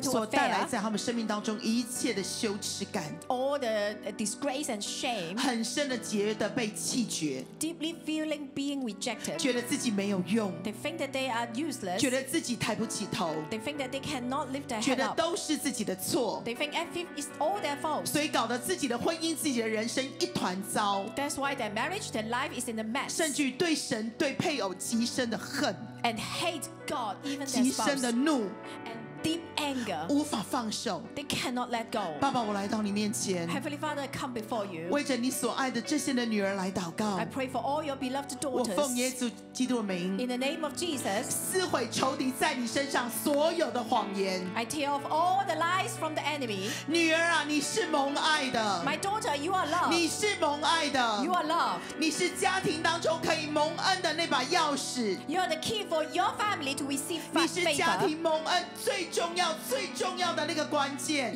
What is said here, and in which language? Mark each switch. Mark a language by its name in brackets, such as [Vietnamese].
[Chinese] affair， 所带来在他们生命当中一切的羞耻感 [English] ，all the disgrace and shame， [Chinese] 很深的觉得被弃绝 [English] ，deeply feeling being rejected， [Chinese] 觉得自己没有用 [English] ，they think that they are useless， [Chinese] 觉得自己抬不起头 [English] ，they think that they cannot lift their head up， [Chinese] 觉得都是自己的错 [English] ，they think everything is all their fault， [Chinese] 所以搞得自己的婚姻、自己的人生一团糟 [English] ，that's why their marriage, their life is in a mess， [Chinese] 甚至对神、对配偶极深的恨 [English] ，and hate God even their [Chinese] spouse， 极深的怒 [English] ，and deep anger， [Chinese] 无法放手 [English] ，they cannot let go。 [Chinese] 爸爸，我来到你面前 [English] ，Heavenly Father, I come before you， [Chinese] 为着你所爱的这些的女儿来祷告 [English] ，I pray for all your beloved daughters。 [Chinese] 我奉耶稣基督的名 [English] ，in the name of Jesus， [Chinese] 撕毁仇敌在你身上所有的谎言 [English] ，I tear off all the lies from the enemy。 [Chinese] 女儿啊，你是蒙爱的 [English] ，My daughter, you are loved。 [Chinese] 你是蒙爱的 [English] ，You are loved。 [Chinese] 你是家庭当中可以蒙恩的那把钥匙 [English] ，You are the key for your family to receive favor。 [Chinese] 你是家庭蒙恩最重要的那个关键。